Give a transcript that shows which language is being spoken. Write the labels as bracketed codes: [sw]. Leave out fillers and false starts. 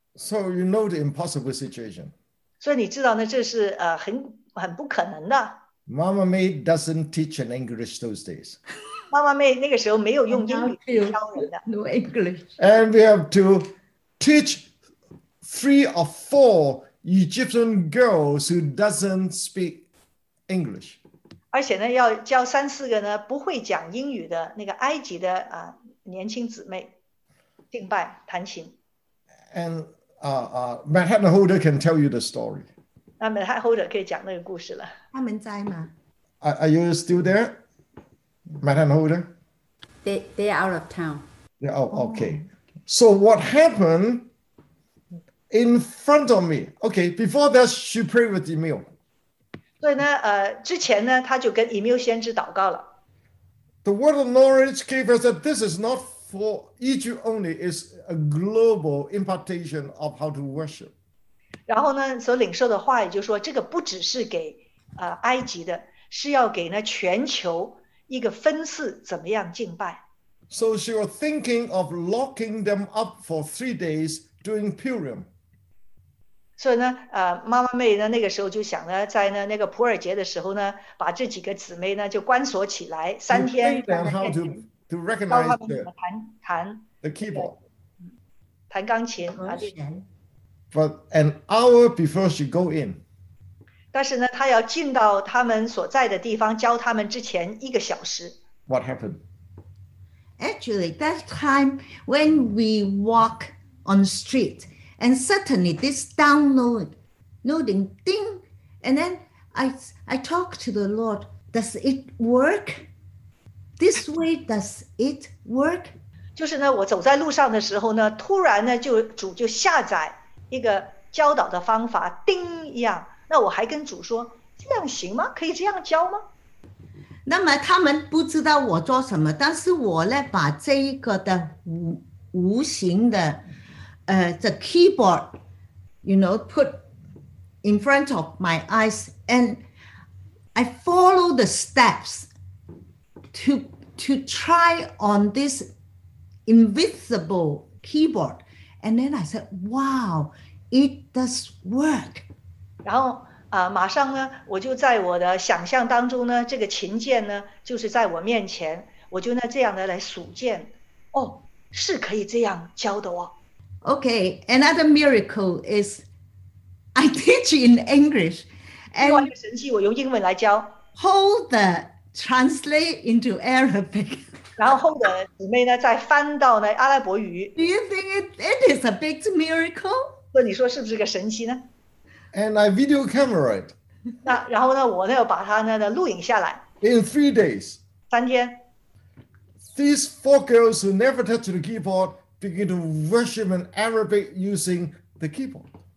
[en] So you know the impossible situation. [zh] 所以你知道呢，这是很不可能的。 [en] Mama May doesn't teach in English those days. [zh] 妈妈妹那个时候没有用英语教人的 [en] ，no English. And we have to teach three or four Egyptian girls who doesn't speak English. [zh] 而且呢，要教三四个呢不会讲英语的那个埃及的年轻姊妹敬拜弹琴。 [en] And Manhattan Holder can tell you the story. [zh] 那 Manhattan Holder 可以讲那个故事了。他们在吗 [en] ？Are you still there? Manhattan Holder? They're out of town. Oh, okay. So what happened in front of me? Okay, before that, she prayed with Emil. [zh] 所以呢，之前呢，他就跟 Emil 先知祷告了。 [en] The word of knowledge gave us that this is not for Egypt only, it's a global impartation of how to worship. [zh] 然后呢，所领受的话也就是说，这个不只是给埃及的，是要给呢全球一个分次怎么样敬拜 [en] ？So she was thinking of locking them up for 3 days during Purim. [zh] 所以呢，妈妈妹呢，那个时候就想呢，在呢那个普尔节的时候呢，把这几个姊妹呢就关锁起来三天。 [en] Teach them how to recognize the [zh] 弹 [en] the keyboard, [zh] 弹钢琴啊。 [en] But an hour before she go in. [zh] 但是呢，他要进到他们所在的地方教他们之前一个小时。 [en] What happened? Actually, that time when we walk on the street, and suddenly this downloading thing, and then I talk to the Lord, does it work? This way, does it work? [zh] 就是呢，我走在路上的时候呢，突然呢，就主就下载一个教导的方法，叮一样。那我还跟主说，这样行吗？可以这样教吗？那么他们不知道我做什么，但是我呢，把这一个的无形的， [en] the keyboard, you know, put in front of my eyes, and I follow the steps to try on this invisible keyboard, and then I said, "Wow, it does work." [zh] 然后。马上呢，我就在我的想象当中呢，这个琴键呢，就是在我面前，我就呢这样的来数键，哦，是可以这样教的哦。 [en] Okay, another miracle is I teach in English, [zh] And 另外一个神迹, 我用英文来教, [en] hold the translate into Arabic. [zh] 然后后的姊妹呢, 再翻到呢, 阿拉伯语, [en] do you think it is a big miracle? [zh] 那你说是不是个神奇呢? [en] And I video camera it. [zh] 那然后呢, 我呢把它呢, 录影下来, [en] in 3 days. [zh] 三天, [en] these 4 girls who never touched the keyboard begin to worship in Arabic using the keyboard.